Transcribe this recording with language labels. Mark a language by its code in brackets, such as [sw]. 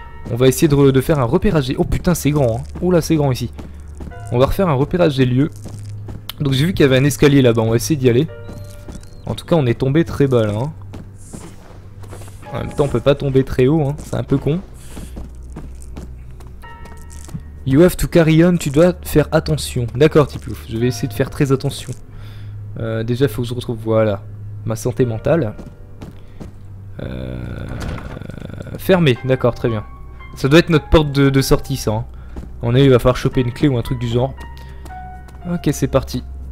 [fr] On va essayer de faire un repérage des... Oh putain c'est grand, hein. Oula c'est grand ici. On va refaire un repérage des lieux. Donc j'ai vu qu'il y avait un escalier là-bas, on va essayer d'y aller. En tout cas, on est tombé très bas là. Hein. En même temps, on peut pas tomber très haut, hein. C'est un peu con. [en] You have to carry on, [fr] tu dois faire attention. D'accord, Tipouf, je vais essayer de faire très attention. Déjà, il faut que je retrouve, voilà, ma santé mentale. Fermé, d'accord, très bien. Ça doit être notre porte de sortie, ça. Hein. En effet, il va falloir choper une clé ou un truc du genre. Ok, c'est parti.